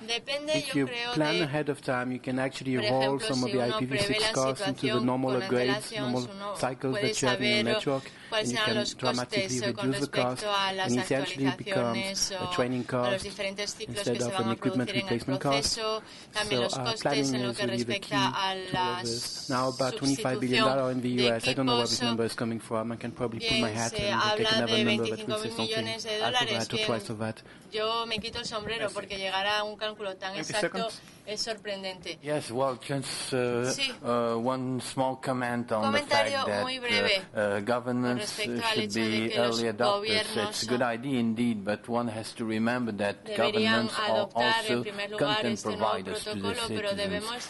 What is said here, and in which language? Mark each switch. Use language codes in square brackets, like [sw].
[en] If you plan ahead of time, you can actually roll some of the IPv6 costs into the normal upgrades, normal cycles that you have in your network, and you can dramatically reduce the cost, and essentially it becomes a training cost instead of an equipment replacement cost. So planning is really the key to all this. Now, about $25 billion in the U.S., I don't know where this number is coming from. I can probably put my hat and take another number that will say something after that or twice of that. [es] Yo me quito el sombrero porque llegar a un cálculo tan exacto es sorprendente. [en] Yes, well, just one small comment on the fact that governments should be early adopters. It's a good idea indeed, but one has to remember that governments are also content providers to the citizens.